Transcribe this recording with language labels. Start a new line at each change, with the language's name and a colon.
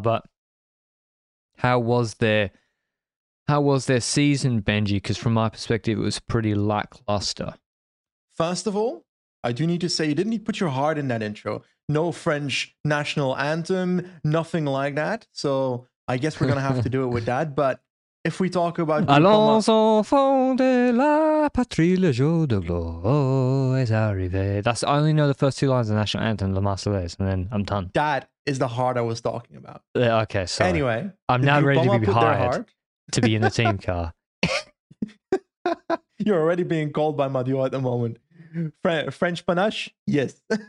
English: But how was their season, Benji? Because from my perspective, it was pretty lackluster. First of all, I do need to say you didn't need to put your heart in that intro. No French national anthem, nothing like that. So I guess we're going to have to do it with that. But if we talk about...
French: Allons enfants de la patrie, le jour de gloire est arrivé.
English: I only know the first two lines of the national anthem, La Marseillaise, and then I'm done. That is the heart I was talking about. Okay, so anyway, I'm now ready to be hired. To be in the team car. You're already being called by Mathieu at the moment. French panache? Yes.